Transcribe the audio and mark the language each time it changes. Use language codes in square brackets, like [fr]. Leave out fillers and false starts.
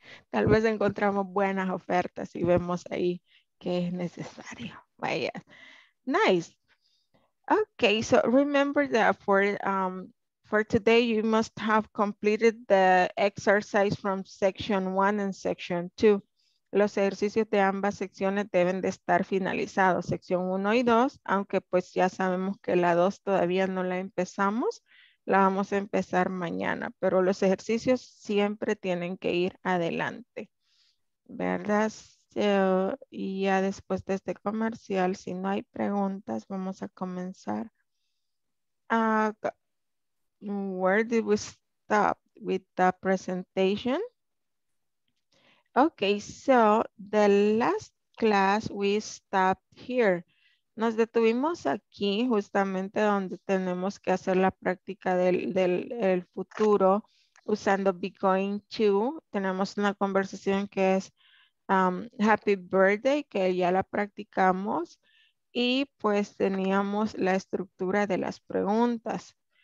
[es] Tal vez encontramos buenas ofertas y vemos ahí que es necesario. Vaya. Nice. [en] Okay, so remember that for today, you must have completed the exercise from section one and section two. [es] Los ejercicios de ambas secciones deben de estar finalizados, sección 1 y 2, aunque pues ya sabemos que la 2 todavía no la empezamos, la vamos a empezar mañana, pero los ejercicios siempre tienen que ir adelante, ¿verdad? So, y ya después de este comercial, si no hay preguntas, vamos a comenzar. [en] Where did we stop with the presentation? Okay, so the last class we stopped here. [es] Nos detuvimos aquí justamente donde tenemos que hacer la práctica del futuro usando be going to. Tenemos una conversación que es happy birthday, que ya la practicamos. Y pues teníamos la estructura de las preguntas.